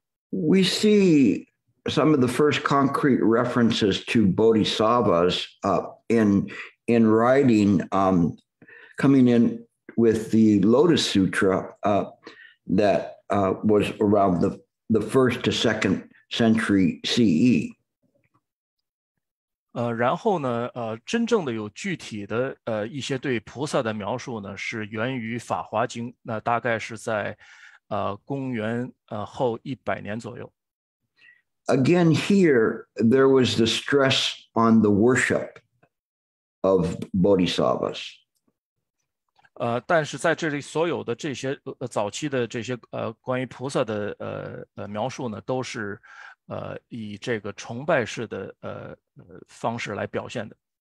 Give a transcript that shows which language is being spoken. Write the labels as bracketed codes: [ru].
[en] We see some of the first concrete references to bodhisattvas in writing coming in with the Lotus Sutra that was around the first to second century CE. [zh] 然后呢，真正的有具体的一些对菩萨的描述呢，是源于《法华经》，那大概是在公元后一百年左右。 [en] Again, here there was the stress on the worship of bodhisattvas. [zh] 但是在这里所有的这些早期的这些关于菩萨的描述呢，都是以这个崇拜式的方式来表现的。